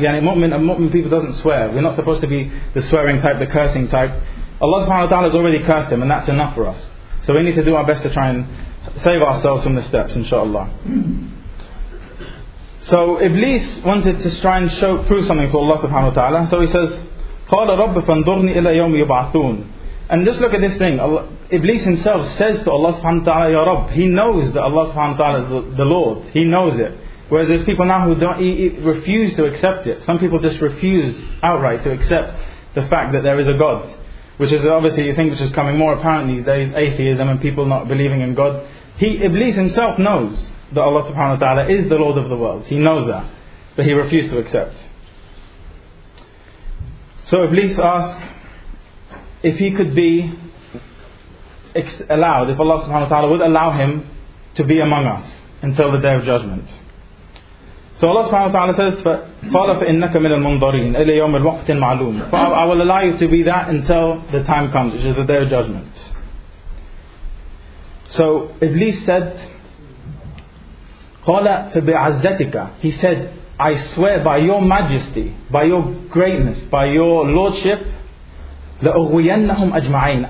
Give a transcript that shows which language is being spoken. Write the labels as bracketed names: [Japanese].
[English] Yani a mu'min people doesn't swear. We're not supposed to be the swearing type, the cursing type. Allah subhanahu wa ta'ala has already cursed him, and that's enough for us. So we need to do our best to try and save ourselves from the steps, inshaAllah. So Iblis wanted to try and prove something to Allah subhanahu wa ta'ala. So he says, [Arabic] قَالَ رَبَّ فَانْضُرْنِي إِلَى يَوْمِ يُبْعَثُونَ. [English] And just look at this thing. Iblis himself says to Allah subhanahu wa ta'ala, Ya Rabb. He knows that Allah subhanahu wa ta'ala is the Lord. He knows it. Whereas there's people now who refuse to accept it. Some people just refuse outright to accept the fact that there is a God. Which is obviously a thing which is coming more apparent these days, atheism and people not believing in God. Iblis himself knows that Allah subhanahu wa ta'ala is the Lord of the world. He knows that. But he refused to accept. So Iblis asks, if he could be allowed, if Allah subhanahu wa ta'ala would allow him to be among us until the day of judgment. So Allah subhanahu wa ta'ala says, [Arabic] فَقَالَ فَإِنَّكَ مِنَ الْمُنْظَرِينَ إِلَى يَوْمِ الْوَقْتِ الْمَعْلُومِ. [English] I will allow you to be that until the time comes, which is the day of judgment. So Iblis said, [Arabic] قَالَ فَبِعَزَّتِكَ. [English] He said, I swear by your majesty, by your greatness, by your lordship, [Arabic] لَأُغْوِيَنَّهُمْ أَجْمَعِينَ.